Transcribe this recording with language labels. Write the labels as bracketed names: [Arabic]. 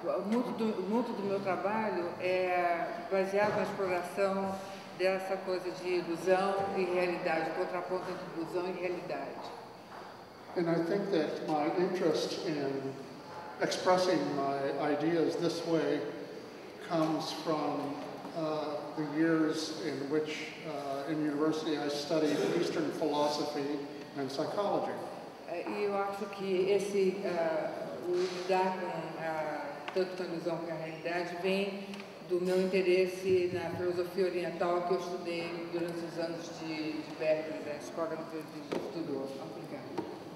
[Portuguese] Muito do meu trabalho é baseado na exploração dessa coisa de ilusão e realidade, contraponto entre ilusão e realidade. [English] And I think that my interest in expressing my ideas this way comes from the years in which in university I studied Eastern philosophy and psychology. [Portuguese] Eu acho que esse lidar com tanto com a ilusão que a realidade vem do meu interesse na filosofia oriental que eu estudei durante os anos de Berkeley, da escola de estudo africano.